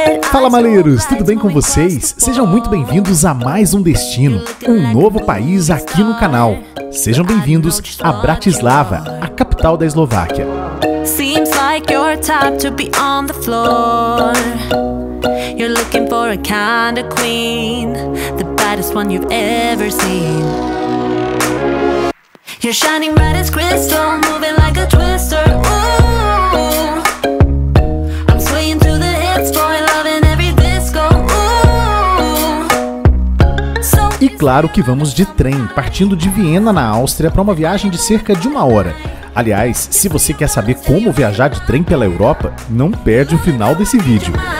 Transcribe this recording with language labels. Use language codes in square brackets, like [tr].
[pt] Fala, maleiros, tudo bem com vocês? Sejam muito bem-vindos a mais um destino, um novo país aqui no canal. Sejam bem-vindos a Bratislava, a capital da Eslováquia. [en] Seems like your time to be on the floor. You're looking for a kind of queen, the baddest one you've ever seen. You're shining bright as crystal, moving like a twister. Ooh, I'm swaying to the hits, boy, loving every disco. [pt] Ooh. E claro que vamos de trem, partindo de Viena, na Áustria, para uma viagem de cerca de uma hora. Aliás, se você quer saber como viajar de trem pela Europa, não perde o final desse vídeo.